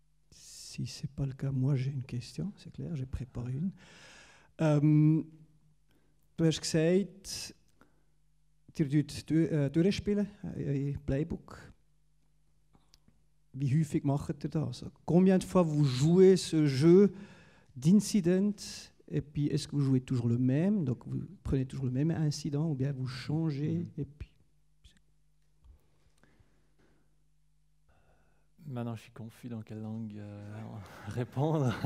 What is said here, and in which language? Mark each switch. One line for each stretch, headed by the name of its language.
French: Si c'est pas le cas, moi j'ai une question, c'est clair, j'ai préparé une.
German: Du hast gesagt, ihr spielt durchspielen, ein Playbook. Wie häufig macht ihr das?
French: Combien de fois vous jouez ce jeu d'incident? Et puis, est-ce que vous jouez toujours le même? Donc, vous prenez toujours le même incident ou bien vous changez? Et puis. Maintenant, je suis confus dans quelle langue répondre.